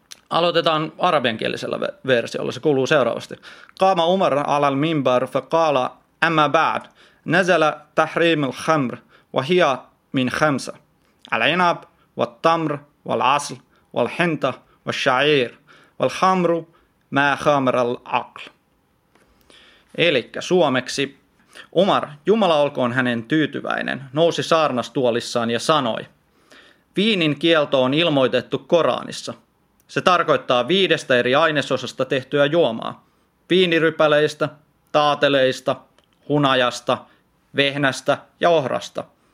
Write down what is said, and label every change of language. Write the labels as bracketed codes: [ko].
[fi] Aloitetaan arabiankielisellä versiolla. Se kuuluu seuraavasti. [ar] Qama Umar alal minbar fa qala amma ba'd. نزل تحريم الخمر وهي من خمسة العنب والتمر والعسل والحنطة والشعير والخمر ما خمر العقل. [fi] Elikkä suomeksi, Umar, Jumala olkoon hänen tyytyväinen, nousi saarnastuolissaan ja sanoi, viinin kielto on ilmoitettu Koranissa. Se tarkoittaa 5 eri ainesosasta tehtyä juomaa. Viinirypäleistä, taateleista, hunajasta, vehnästä ja ohrasta.